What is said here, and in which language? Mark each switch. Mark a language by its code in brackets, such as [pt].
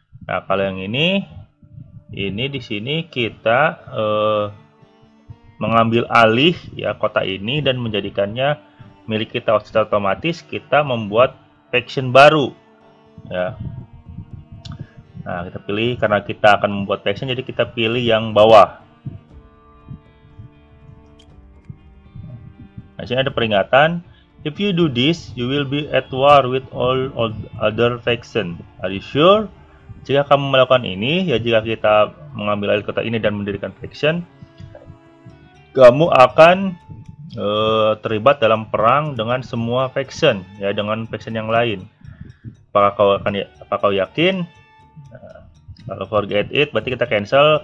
[id] Nah, kalau yang ini di sini kita mengambil alih ya kota ini dan menjadikannya milik kita secara otomatis, kita membuat faction baru ya. Nah, kita pilih karena kita akan membuat faction, jadi kita pilih yang bawah. Nah, sini ada peringatan, [en] if you do this you will be at war with all other faction, are you sure? [id] Jika kamu melakukan ini ya, jika kita mengambil alih kota ini dan mendirikan faction, kamu akan terlibat dalam perang dengan semua faction ya, dengan faction yang lain. Apakah kau yakin? Kalau [en] forget it [id] berarti kita cancel.